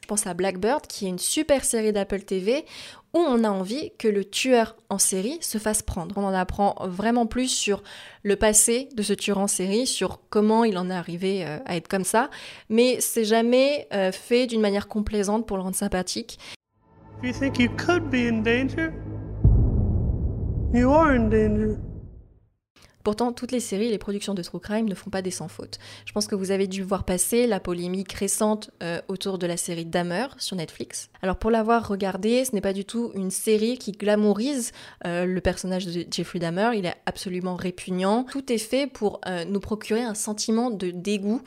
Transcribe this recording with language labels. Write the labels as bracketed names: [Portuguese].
[French] Je pense à Blackbird, qui est une super série d'Apple TV, où on a envie que le tueur en série se fasse prendre. On en apprend vraiment plus sur le passé de ce tueur en série, sur comment il en est arrivé à être comme ça, mais c'est jamais fait d'une manière complaisante pour le rendre sympathique. [English] If you think you could be in danger, you are in danger. [French] Pourtant, toutes les séries et les productions de True Crime ne font pas des sans-fautes. Je pense que vous avez dû voir passer la polémique récente autour de la série Dahmer sur Netflix. Alors pour l'avoir regardée, ce n'est pas du tout une série qui glamourise le personnage de Jeffrey Dahmer. Il est absolument répugnant. Tout est fait pour nous procurer un sentiment de dégoût.